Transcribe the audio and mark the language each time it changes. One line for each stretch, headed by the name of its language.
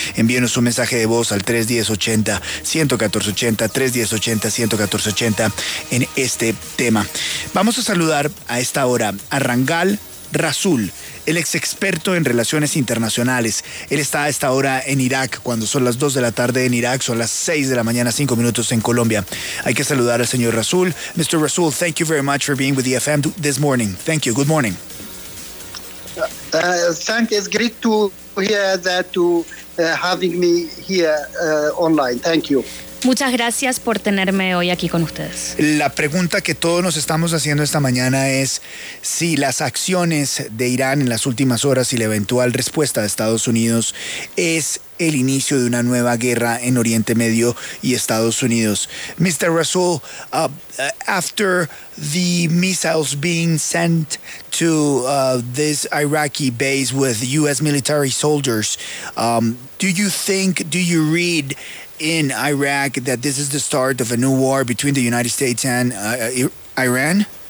Spanish: envíenos un mensaje de voz al 310-80-114-80, 310-80-114-80 en este tema. Vamos a saludar a esta hora a Rangal Rasul, el ex experto en relaciones internacionales. Él está a esta hora en Irak, cuando son las 2 de la tarde en Irak, son las 6 de la mañana, 5 minutos en Colombia. Hay que saludar al señor Rasul. Mr.
English: Rasul, thank you very much for being with the FM this morning. Thank you. Good morning. Thank you. It's great to hear that to having me here online. Thank you.
Spanish: Muchas gracias por tenerme hoy aquí con ustedes. La pregunta que todos nos estamos haciendo esta mañana es si las acciones de Irán en las últimas horas y la eventual respuesta de Estados Unidos es el inicio de una nueva guerra en Oriente Medio y Estados Unidos.
English: Mr. Rasul, after the missiles being sent to this Iraqi base with U.S. military soldiers, do you read in Iraq that this is the start of a new war between the United States and Iran?